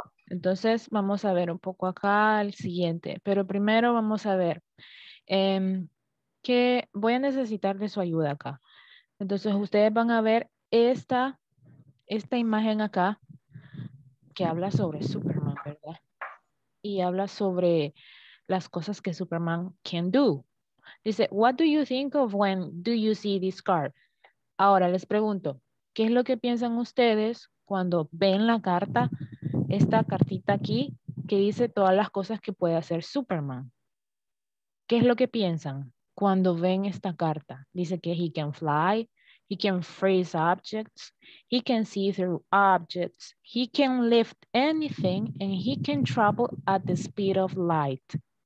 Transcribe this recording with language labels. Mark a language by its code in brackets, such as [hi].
[es] Entonces vamos a ver un poco acá el siguiente, pero primero vamos a ver que voy a necesitar de su ayuda acá. Entonces ustedes van a ver esta imagen acá que habla sobre Superman, ¿verdad? Y habla sobre las cosas que Superman [en] can do. Dice, what do you think of when do you see this car? [es] Ahora les pregunto, ¿qué es lo que piensan ustedes cuando ven la carta, esta cartita aquí, que dice todas las cosas que puede hacer Superman? ¿Qué es lo que piensan cuando ven esta carta? Dice que [en] he can fly, he can freeze objects, he can see through objects, he can lift anything, and he can travel at the speed of light.